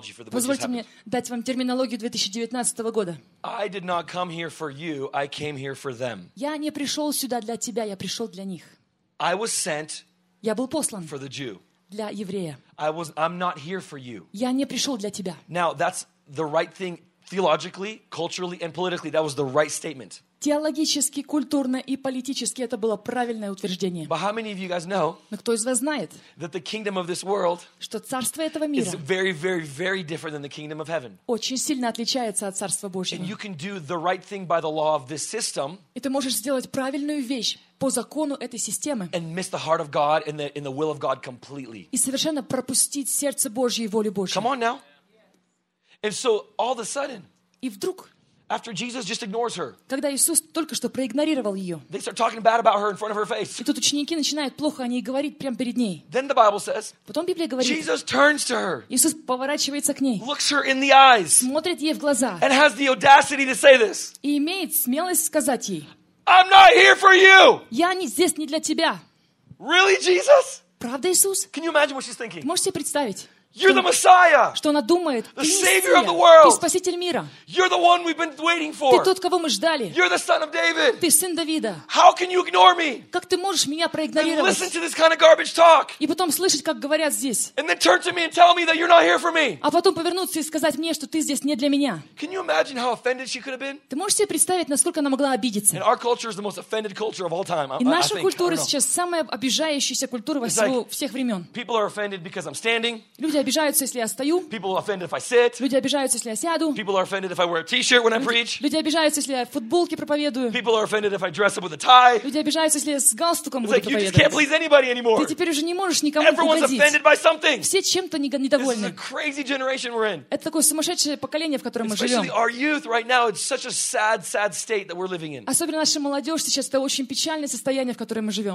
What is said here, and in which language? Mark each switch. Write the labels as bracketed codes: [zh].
[ru] Позвольте мне дать вам терминологию 2019 года. [en] I did not come here for you, I came here for them. [ru] Я не пришел сюда для тебя, я пришел для них. [en] I was sent [ru] я был послан [en] for the Jew. [ru] Для еврея. [en] I'm not here for you. [ru] Я не пришел для тебя. [en] Now, that's the right thing theologically, culturally, and politically. That was the right statement. [ru] Теологически, культурно и политически это было правильное утверждение. [en] But how many of you guys know, [ru] но кто из вас знает, [en] that the kingdom of this world, [ru] что царство этого мира [en] is very, very, very different than the kingdom of heaven. [ru] Очень сильно отличается от Царства Божьего. [en] And you can do the right thing by the law of this system, [ru] и ты можешь сделать правильную вещь по закону этой системы, [en] and miss the heart of God and the will of God completely. [ru] И совершенно пропустить сердце Божье и волю Божью. [en] Come on now. And so all of a sudden, [ru] и вдруг, [en] after Jesus just ignores her, [ru] когда Иисус только что проигнорировал ее, [en] they start talking bad about her in front of her face. [ru] И тут ученики начинают плохо о ней говорить прямо перед ней. [en] Then the Bible says, [ru] потом Библия говорит, [en] Jesus turns to her, [ru] Иисус поворачивается к ней, [en] looks her in the eyes, [ru] смотрит ей в глаза, [en] and has the audacity to say this, [ru] и имеет смелость сказать ей, [en] I'm not here for you. [ru] Я не здесь не для тебя. [en] Really, Jesus? [ru] Правда, Иисус? [en] Can you imagine what she's thinking? [ru] Можешь себе представить? [en] You're the Messiah. [ru] Что она думает? [en] The savior of the world. [ru] Ты спаситель мира. [en] You're the one we've been waiting for. [ru] Ты тот, кого мы ждали. [en] You're the son of David. [ru] Ты сын Давида. [en] How can you ignore me? [ru] Как ты можешь меня проигнорировать? [en] And listen to this kind of garbage talk. [ru] И потом слышать, как говорят здесь. [en] And then turn to me and tell me that you're not here for me. [ru] А потом повернуться и сказать мне, что ты здесь не для меня. [en] Can you imagine how offended she could have been? [ru] Ты можешь себе представить, насколько она могла обидеться? [en] And our culture is the most offended culture of all time. [ru] И наша культура сейчас самая обижающаяся культура всех времен. [en] People are offended because I'm standing. [ru] Люди обижаются, если я стою. [en] People are offended if I sit. [ru] Люди обижаются, если я сяду. [en] People are offended if I wear a t-shirt when I preach. [ru] Люди обижаются, если я в футболке проповедую. [en] People are offended if I dress up with a tie. [ru] Люди обижаются, если я с галстуком буду проповедовать. [en] You just can't please anybody anymore. [ru] Ты теперь уже не можешь никому угодить. [en] Everyone's offended by something. [ru] Все чем-то недовольны. [en] This is a crazy generation we're in. [ru] Это такое сумасшедшее поколение, в котором мы живем. [en] Especially our youth right now, it's such a sad, sad state that we're living in. [ru] Особенно наша молодежь сейчас, это очень печальное состояние, в котором мы живем.